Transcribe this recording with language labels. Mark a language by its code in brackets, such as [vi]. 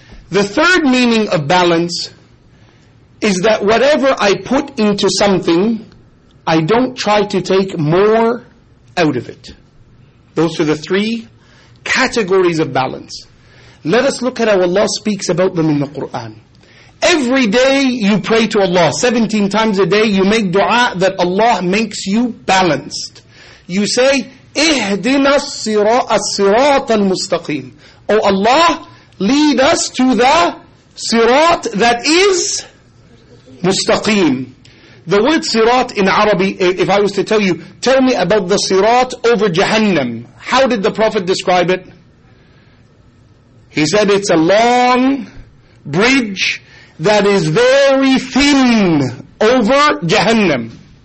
[en] The third meaning of balance is that whatever I put into something, I don't try to take more out of it. Those are the three categories of balance. Let us look at how Allah speaks about them in the Quran. Every day you pray to Allah, 17 times a day you make dua that Allah makes you balanced. [ar] You say, اِهْدِنَا الصِّرَاطَ الْمُسْتَقِيمِ. [en] Oh Allah, lead us to the sirat that is mustaqim. The word sirat in Arabic, if I was to tell me about the sirat over Jahannam. How did the Prophet describe it? He said it's a long bridge that is very thin over Jahannam.